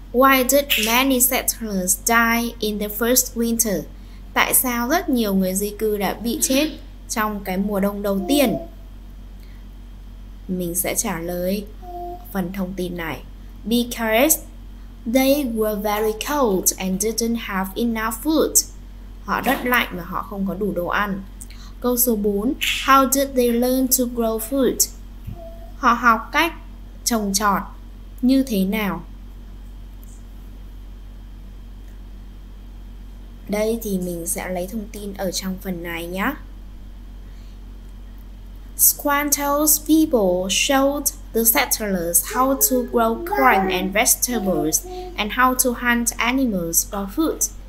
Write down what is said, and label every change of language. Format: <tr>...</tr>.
<en>Why did many settlers die in the first winter?</en> <vi>Tại sao rất nhiều người di cư đã bị chết trong cái mùa đông đầu tiên? Mình sẽ trả lời phần thông tin này.</vi> <en>Because they were very cold and didn't have enough food.</en> <vi>Họ rất lạnh và họ không có đủ đồ ăn. Câu số 4.</vi> <en>How did they learn to grow food?</en> <vi>Họ học cách trồng trọt như thế nào? Đây thì mình sẽ lấy thông tin ở trong phần này nhé.</vi> <en>Squanto's people showed the settlers how to grow corn and vegetables and how to hunt animals for food.</en>